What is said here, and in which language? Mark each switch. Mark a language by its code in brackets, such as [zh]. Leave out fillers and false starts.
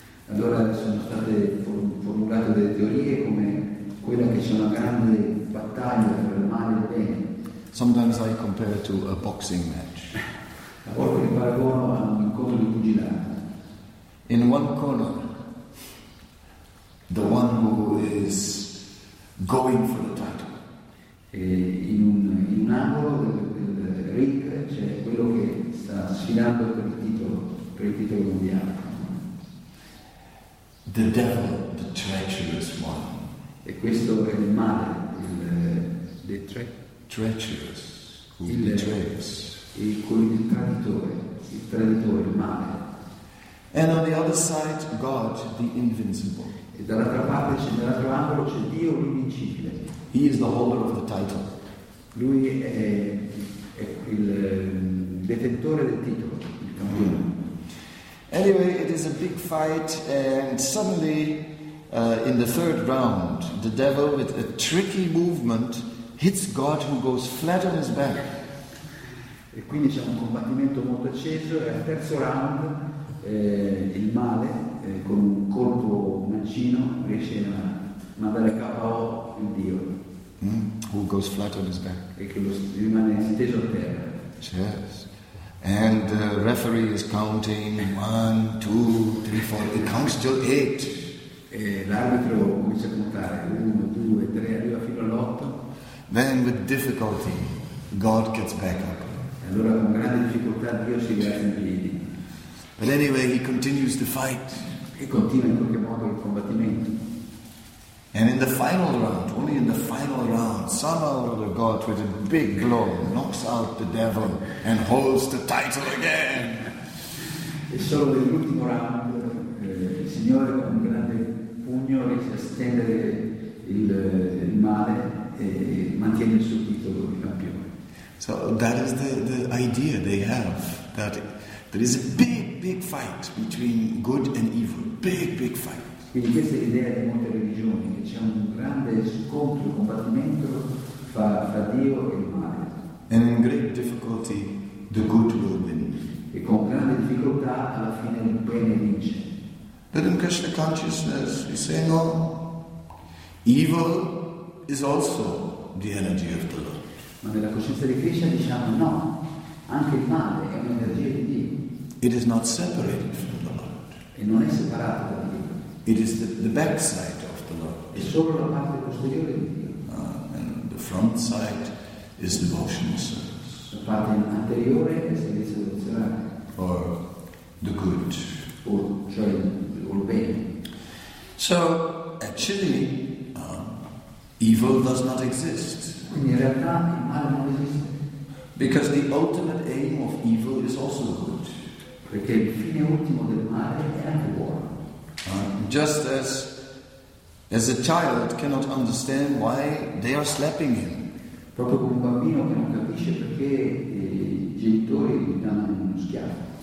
[it] Allora sono state formulate delle teorie come quella che c'è una grande battaglia tra il male e il bene. [en] Sometimes I compare to a boxing match. [it] A volte mi paragono a un incontro di pugilato. [en] In one corner, the one who is going for the title. [it] E in un angolo del ring c'è cioè quello che sta sfidando per il titolo mondiale. [en] The devil, the treacherous one. [it] E questo è il male, il [en] treacherous, who betrays. [it] Il traditore, il traditore, il male. [en] And on the other side, God, the invincible. [it] E dall'altra parte, dall'altro angolo, c'è Dio l'invincibile. [en] He is the holder of the title. [it] Lui è il detentore del titolo, il campione. [en] Anyway, it is a big fight, and suddenly, in the third round, the devil, with a tricky movement, hits God, who goes flat on his back. [it] E quindi c'è un combattimento molto acceso, e al terzo round, il male, con un colpo mancino, riesce a mandare a KO il Dio. [en] Who goes flat on his back. [it] E che rimane steso a terra. [en] Yes. And the referee is counting 1, 2, 3, 4. It counts till 8. [it] E l'arbitro comincia a contare 1, 2, 3, arriva fino all'8. [en] Then with difficulty, God gets back up. [it] E allora con grande difficoltà Dio si rialza in piedi. [en] But anyway, he continues the fight. [it] E continua in qualche modo il combattimento. [en] And in the final round, only in the final round, somehow or other God with a big blow knocks out the devil and holds the title again. [it] E solo nell'ultimo round il Signore con un grande pugno riesce a stendere il male e mantiene il suo titolo di campione. [en] So that is the idea they have, that there is a big, big fight between good and evil. Big, big fight. [it] Quindi questa è l'idea di molte religioni, che c'è un grande scontro, combattimento fra Dio e il male. [en] And in great difficulty, the good will win. [it] E con grande difficoltà, alla fine, il bene vince. [en] But in Krishna consciousness, we say, no, evil is also the energy of the Lord. [it] Ma nella coscienza di Krishna diciamo, no, anche il male è un'energia di Dio. [en] It is not separated from the Lord. [it] E non è separato da Dio. [en] It is the back side of the Lord. [it] È solo la parte posteriore di Dio. [en] And the front side is devotional service. [it] La parte anteriore è servizio devozionale. [en] Or the good. [it] O cioè il bene. [en] So actually, evil does not exist. [it] Quindi in realtà il male non esiste. [en] Because the ultimate aim of evil is also good. [it] Perché il fine ultimo del male è anche buono. [en] Just as a child cannot understand why they are slapping him. [it] Proprio come un bambino che non capisce perché i genitori gli danno uno schiaffo.